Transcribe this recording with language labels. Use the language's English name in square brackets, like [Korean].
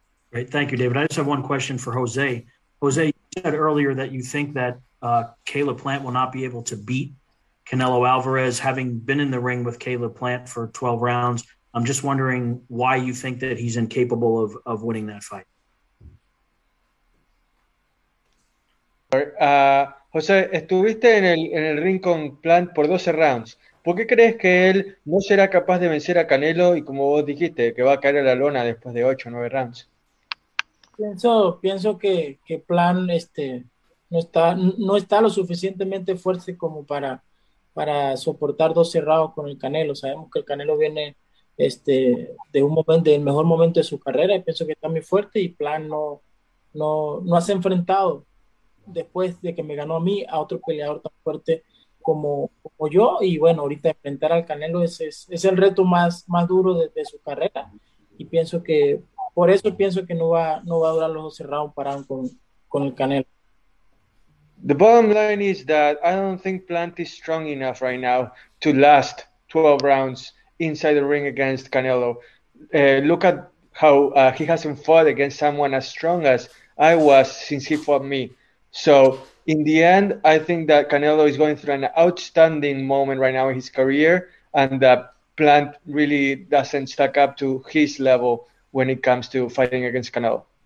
[English] Great. Thank you, David. I just have one question for Jose. Jose, you said earlier that you think that Caleb Plant will not be able to beat Canelo Alvarez, having been in the ring with Caleb Plant for 12 rounds. I'm just wondering why you think that he's incapable of winning that fight. [Spanish] José, estuviste en el ring con Plant por 12 rounds. ¿Por qué crees que él no será capaz de vencer a Canelo y, como vos dijiste, que va a caer a la lona después de 8 o 9 rounds? Pienso que Plant no está lo suficientemente fuerte como para soportar 12 rounds con el Canelo. Sabemos que el Canelo viene de un momento, del mejor momento de su carrera, y pienso que está muy fuerte, y Plant no has enfrentado después de que me ganó a mí, a otro peleador tan fuerte como yo. Y bueno, ahorita enfrentar al Canelo es el reto más duro de su carrera, y pienso que por eso pienso que no va a durar los 12 rounds parados con el Canelo. [English] The bottom line is that I don't think Plant is strong enough right now to last 12 rounds inside the ring against Canelo. Look at how he hasn't fought against someone as strong as I was since he fought me. So in the end, I think that Canelo is going through an outstanding moment right now in his career, and that Plant really doesn't stack up to his level when it comes to fighting against Canelo.